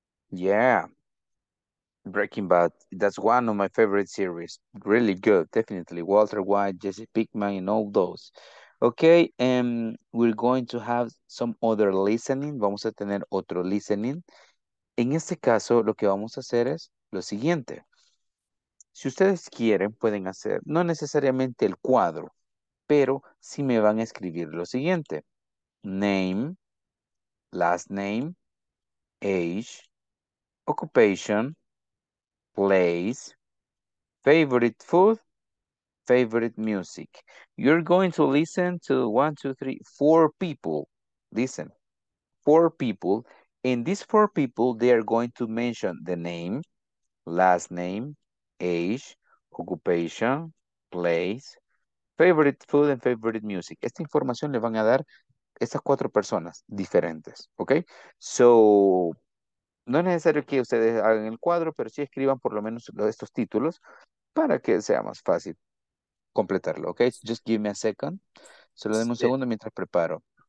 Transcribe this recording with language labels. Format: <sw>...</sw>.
<en>Yeah, Breaking Bad, that's one of my favorite series. Really good, definitely. Walter White, Jesse Pinkman, and all those. Okay, we're going to have some other listening.</en> <es>Vamos a tener otro listening. En este caso, lo que vamos a hacer es lo siguiente. Si ustedes quieren, pueden hacer, no necesariamente el cuadro, pero sí me van a escribir lo siguiente.</es> <en>Name, last name, age, occupation, place, favorite food, favorite music. You're going to listen to 1, 2, 3, 4 people. Listen, 4 people. In these 4 people, they are going to mention the name, last name, age, occupation, place, favorite food, and favorite music.</en> <es>Esta información le van a dar estas 4 personas diferentes. Okay? So, no es necesario que ustedes hagan el cuadro, pero sí escriban por lo menos estos títulos para que sea más fácil completarlo, ¿ok?</es> <en>Just give me a second.</en> <es>Solo denme un segundo mientras preparo.</es>